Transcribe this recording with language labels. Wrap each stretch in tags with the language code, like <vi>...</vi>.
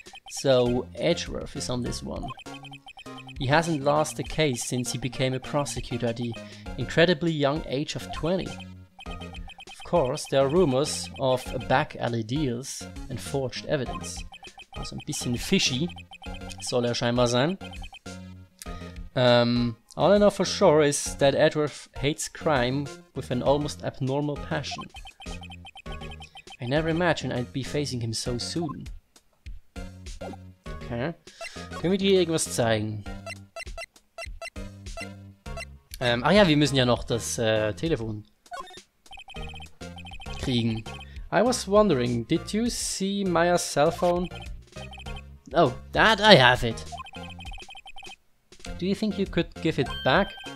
<en>So, Edgeworth is on this one. He hasn't lost a case since he became a prosecutor at the incredibly young age of 20. Of course, there are rumors of back-alley deals and forged evidence.</en> <de>Also, ein bisschen fishy soll er scheinbar sein.</de> <en>All I know for sure is that Edgeworth hates crime with an almost abnormal passion. I never imagined I'd be facing him so soon. Okay.</en> <de>Können wir dir irgendwas zeigen? Ach ja, wir müssen ja noch das Telefon kriegen.</de> <en>I was wondering, did you see Maya's cell phone? Oh, that I have it. Do you think you could give it back?</en>